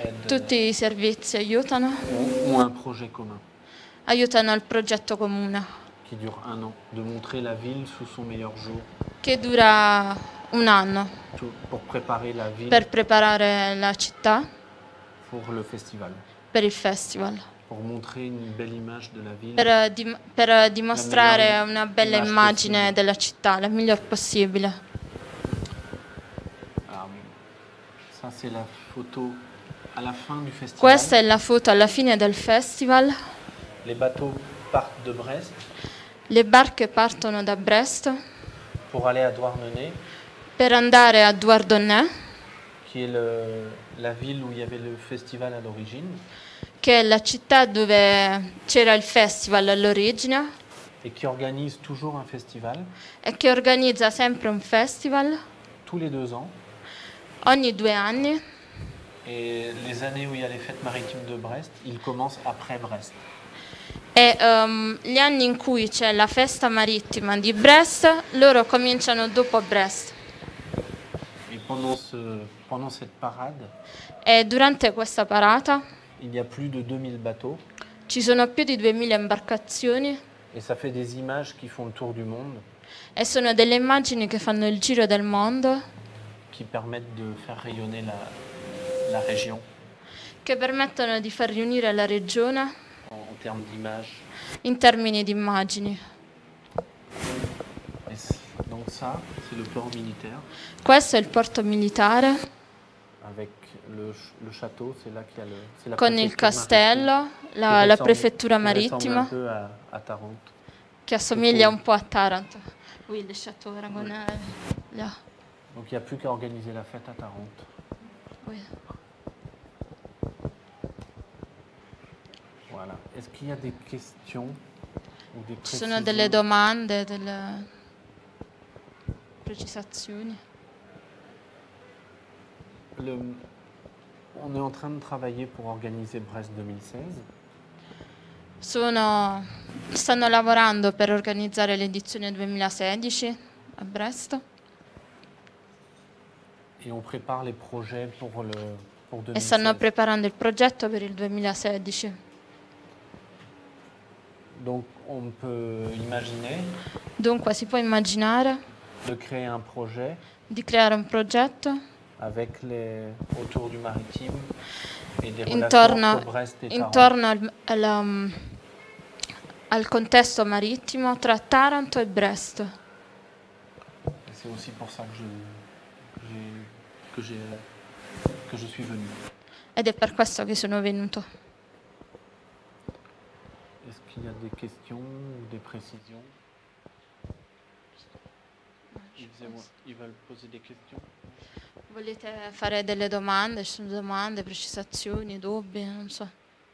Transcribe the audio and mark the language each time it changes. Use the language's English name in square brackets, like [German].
[Italian] Tutti i servizi aiutano. [French] O un projet commun. [Italian] Aiutano il progetto comune. [French] Qui dure un an. De montrer la ville sous son meilleur jour. [Italian] Che dura un anno. [French] Pour préparer la ville. [Italian] Per preparare la città. [French] Pour le festival. [Italian] Per il festival. [French] Pour montrer une belle image de la ville. [Italian] Per dimostrare una bella immagine della città, la miglior possibile. [French] Ça c'est la photo. À la fin du festival. [Italian] Questa è la foto alla fine del festival. [French] Les bateaux partent de Brest. [Italian] Le barche partono da Brest. [French] Pour aller à Douarnenez. [Italian] Per andare a Douarnenez. [French] Qui est la ville où il y avait le festival à l'origine. [Italian] Che è la città dove c'era il festival all'origine. [French] Et qui organise toujours un festival. [Italian] E che organizza sempre un festival. [French] Tous les deux ans. [Italian] Ogni due anni. [French] Et les années où il y a les fêtes maritimes de Brest, il commence après Brest. [Italian] E gli anni in cui c'è la festa marittima di Brest, loro cominciano dopo Brest. [French] Et pendant cette parade. [Italian] E durante questa parata. [French] Il y a plus de 2000 bateaux. [Italian] Ci sono più di 2000 imbarcazioni. [French] Et ça fait des images qui font le tour du monde. [Italian] E sono delle immagini che fanno il giro del mondo. [French] Qui permettent de faire rayonner la région. [Italian] Che permettono di far riunire la regione. [French] En termes d'image. [Italian] In termini di immagini. [French] Donc ça, c'est le port militaire. [Italian] Questo è il porto militare. [French] Avec le château, c'est là qu'il y a [Italian] con il castello, la prefettura marittima. [French] Che ressemble un peu à Taranto. [Italian] Che assomiglia un po' a Taranto. [French] Oui, le château aragonais. Oui. Là. Donc il y a plus qu'à organiser la fête à Taranto. Oui. Voilà. Est-ce qu'il y a des questions ou des précisions? [Italian] Ci sono delle domande, delle precisazioni. [French] On est en train de travailler pour organiser Brest 2016. [Italian] Stanno lavorando per organizzare l'edizione 2016 a Brest. [French] Et on prépare les projets pour 2016. [Italian] E stanno preparando il progetto per il 2016. [French] Donc on peut imaginer. [Italian] Dunque si può immaginare. [French] De créer un projet. [Italian] Di creare un progetto. [French] Avec les autour du maritime et des [Italian] intorno, [French] relations entre Brest et Taranto. [Italian] Intorno al contesto marittimo tra Taranto e Brest. [French] Et c'est aussi pour ça que je suis venu. [Italian] Ed è per questo che sono venuto. [French] Est-ce qu'il y a des questions ou des précisions? Ils veulent poser des questions? [Italian] Volete fare delle domande? Ci sono domande, precisazioni, dubbi, non so.